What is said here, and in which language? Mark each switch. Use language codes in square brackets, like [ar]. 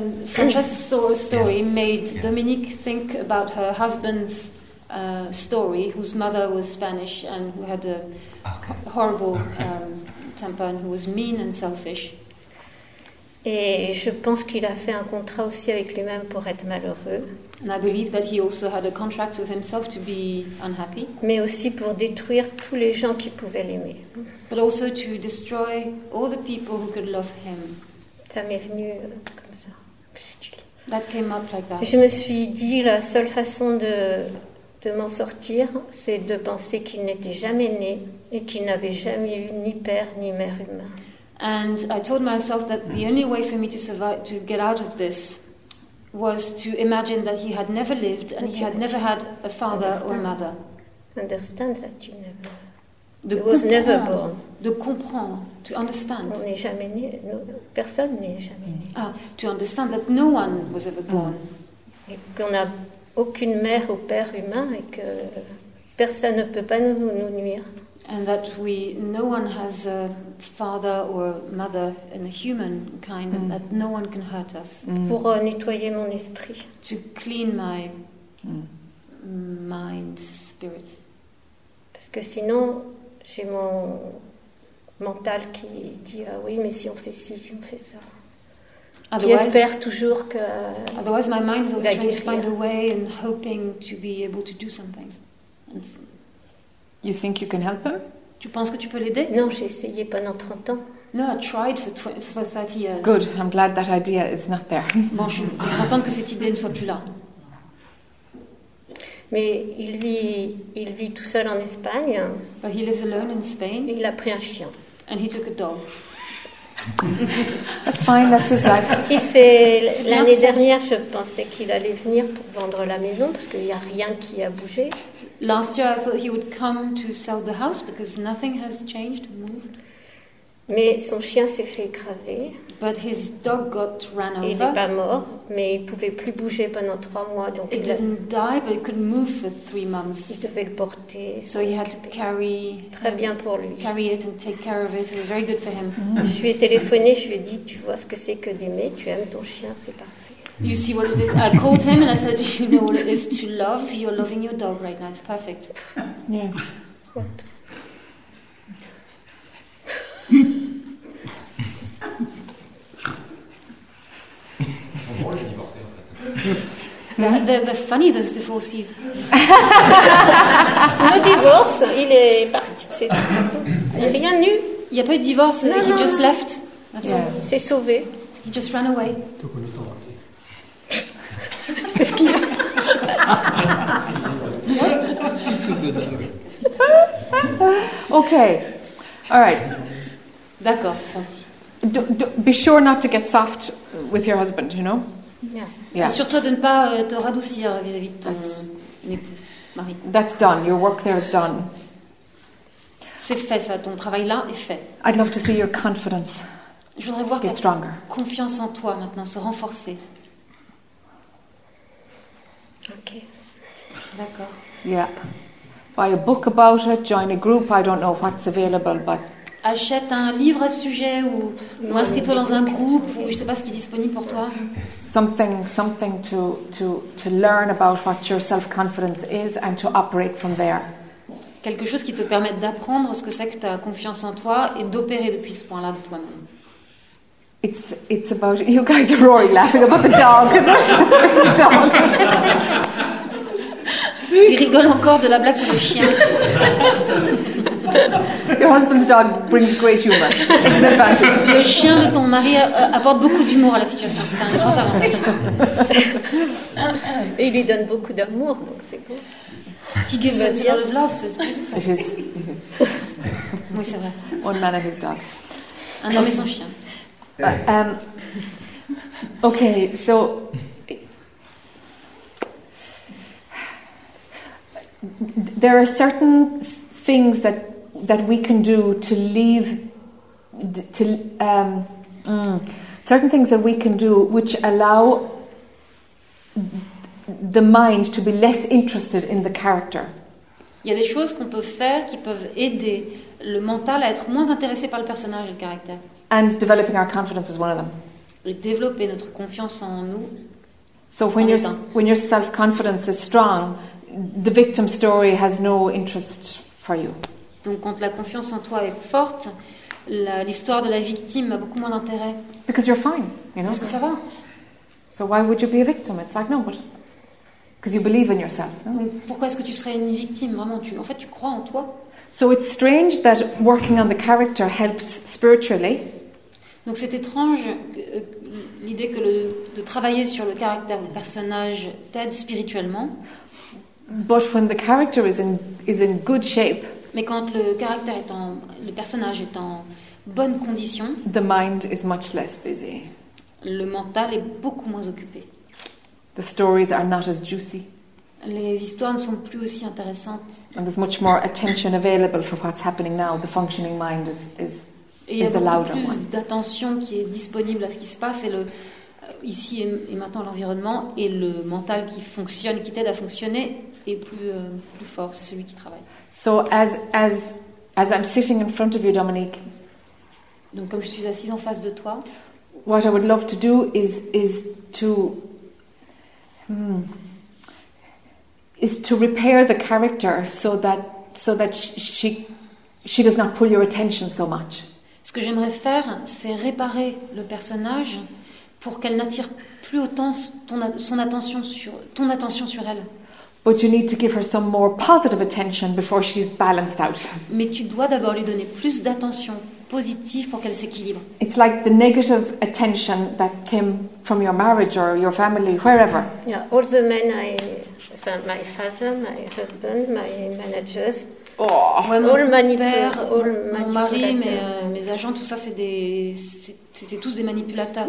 [en] Francesca's story made Dominique think about her husband's story, whose mother was Spanish and who had a horrible temper and who was mean and selfish. [fr] Et je pense qu'il a fait un contrat aussi avec lui-même pour être malheureux. [en] And I believe that he also had a contract with himself to be unhappy. [fr] Mais aussi pour détruire tous les gens qui pouvaient l'aimer. [en] But also to destroy all the people who could love him. [fr] Ça m'est venu comme ça. [en] That came up like that. [fr] Je me suis dit, la seule façon de m'en sortir, c'est de penser qu'il n'était jamais né et qu'il n'avait jamais eu ni père ni mère humain. [en] And I told myself that the only way for me to survive, to get out of this, was to imagine that he had never lived and he had never had a father or a mother. Understand that you never. He was never born. [fr] De comprendre, [en] to understand. [fr] On n'est jamais né. No, personne n'est jamais né. [en] Ah, to understand that no one was ever born. [fr] Et qu'on n'a aucune mère ou père humain et que personne ne peut pas nous nuire. [en] And that no one has a father or mother in a human kind, that no one can hurt us. [fr] Pour nettoyer mon esprit. [en] To clean my mind, spirit. [fr] Parce que sinon, j'ai mon mental qui dit, ah oui, mais si on fait ci, si on fait ça. [en] Otherwise, my mind is always trying to find a way and hoping to be able to do something. You think you can help him? [fr] Tu penses que tu peux l'aider? Non, j'ai essayé pendant 30 ans. [en] No, I tried for 30 years. Good, I'm glad that idea is not there. [fr] Bon, je suis contente que cette idée ne soit plus là. Mais il vit tout seul en Espagne. [en] But he lives alone in Spain. [fr] Et il a pris un chien. [en] And he took a dog. That's fine, that's his life. [fr] Et c'est l'année dernière, je pensais qu'il allait venir pour vendre la maison, parce qu'il n'y a rien qui a bougé. [en] Last year, I thought he would come to sell the house because nothing has changed, moved. [fr] Mais son chien s'est fait écraser. [en] But his dog got run over. [fr] Il n'est pas mort, mais il ne pouvait plus bouger pendant 3 mois. Donc [en] it didn't die, but it couldn't move for 3 months. [fr] Il devait le porter. [en] So he had to carry. [fr] Très bien pour lui. [en] Carry it and take care of it. It was very good for him. [fr] Je lui ai téléphoné, je lui ai dit, tu vois ce que c'est que d'aimer, tu aimes ton chien, c'est parfait. [en] You see what it is. I called him and I said, you know what it is to love? You're loving your dog right now. It's perfect. Yes. What? The funny, those divorces. No divorce, [fr] il est parti. C'est tout. Il n'y a rien eu. Il n'y a pas eu de divorce, non, he non. [en] Just left. That's yeah. All. [fr] C'est sauvé. [en] He just ran away. [fr] Qu'est-ce qu'il y a? [en] Ok. All right. [fr] D'accord. [en] Be sure not to get soft with your husband, you know? Yeah. Yeah. [fr] Assure-toi de ne pas te radoucir vis-à-vis de ton époux, mari. [en] That's done. Your work there is done. [fr] C'est fait, ça. Ton travail là est fait. [en] I'd love to see your confidence. [fr] Je voudrais voir ta confiance en toi maintenant se renforcer. [en] Ok. [fr] D'accord. [en] Yep. Buy a book about it. Join a group. I don't know what's available, but. [fr] Achète un livre à ce sujet ou inscris-toi dans un groupe ou je sais pas ce qui est disponible pour toi. [en] Something to learn about what your self-confidence is and to operate from there. [fr] Quelque chose qui te permette d'apprendre ce que c'est que ta confiance en toi et d'opérer depuis ce point-là de toi-même. [en] It's about you guys are already laughing about the dog. The dog. [fr] Il rigole encore de la blague sur le chien. [en] Your husband's dog brings great humor. It's an advantage. [fr] Le chien de ton mari apporte beaucoup d'humour à la situation. C'est un grand avantage. Et il lui donne beaucoup d'amour, donc c'est beau. [en] He gives it a lot of love, so it's beautiful. It is. [fr] Oui, c'est vrai. [en] One man and his dog. [fr] Un homme et son chien. [en] Okay, so. There are certain things that we can do to leave certain things that we can do which allow the mind to be less interested in the character. [fr] Il y a des choses qu'on peut faire qui peuvent aider le mental à être moins intéressé par le personnage et le caractère. [en] And developing our confidence is one of them. [fr] Et développer notre confiance en nous. [en] So when your self-confidence is strong, the victim story has no interest for you. [fr] Donc quand la confiance en toi est forte, l'histoire de la victime a beaucoup moins d'intérêt. [en] Because you're fine, you know. [fr] Parce que ça va. [en] So why would you be a victim? It's like no, but because you believe in yourself. No? [fr] Donc pourquoi est-ce que tu serais une victime? Vraiment, tu crois en toi. [en] So it's strange that working on the character helps spiritually. [fr] Donc c'est étrange l'idée que de travailler sur le caractère ou le personnage t'aide spirituellement. [en] But when the character is in good shape. [fr] Mais quand le caractère est en, le personnage est en bonne condition, [en] the mind is much less busy. [fr] Le mental est beaucoup moins occupé. [en] The stories are not as juicy. [fr] Les histoires ne sont plus aussi intéressantes. [en] And there's much more attention available for what's happening now. The functioning mind is the louder one. [fr] Il y a beaucoup plus d'attention qui est disponible à ce qui se passe et le ici et maintenant l'environnement et le mental qui fonctionne, qui t'aide à fonctionner est plus fort. C'est celui qui travaille. [en] So as I'm sitting in front of you, Dominique. [fr] Donc comme je suis assise en face de toi. [en] What I would love to do is to repair the character so that she does not pull your attention so much. [fr] Ce que j'aimerais faire, c'est réparer le personnage pour qu'elle n'attire plus autant ton attention sur elle. [en] But you need to give her some more positive attention before she's balanced out. [fr] Mais tu dois d'abord lui donner plus d'attention positive pour qu'elle s'équilibre. [en] It's like the negative attention that came from your marriage or your family, wherever. Yeah, all the men, my father, my husband, my managers. Oh. [fr] Ouais, mon mari, mes agents, tout ça, c'était tous des manipulateurs.